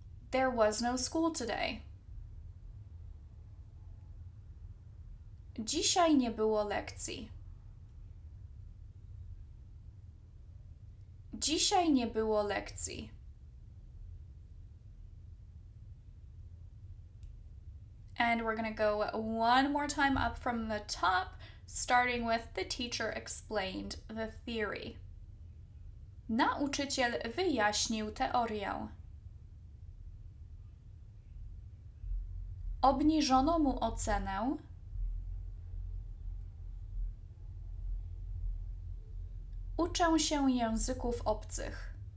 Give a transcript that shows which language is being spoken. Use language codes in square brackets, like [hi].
[en] There was no school today. [pl] Dzisiaj nie było lekcji. Dzisiaj nie było lekcji. [en] And we're gonna go one more time up from the top, starting with the teacher explained the theory. [pl] Nauczyciel wyjaśnił teorię. Obniżono mu ocenę. Uczę się języków obcych.